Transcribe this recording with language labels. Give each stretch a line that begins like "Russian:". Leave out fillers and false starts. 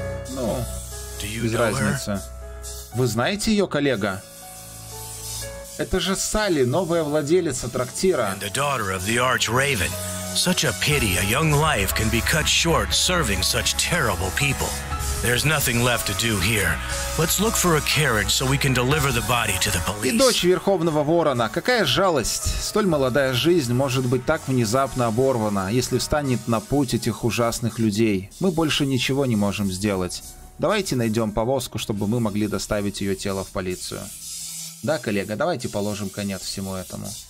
Russian: Ну, без разницы. Вы знаете ее, коллега? Это же Салли, новая владелица трактира.
English: And the daughter of the Arch Raven. Such a pity a young life can be cut short serving such terrible people. There's nothing left to do here. Let's look for a carriage so we can deliver the body to the police.
Russian: И дочь Верховного Ворона. Какая жалость. Столь молодая жизнь может быть так внезапно оборвана, если встанет на путь этих ужасных людей. Мы больше ничего не можем сделать. Давайте найдем повозку, чтобы мы могли доставить ее тело в полицию. Да, коллега, давайте положим конец всему этому.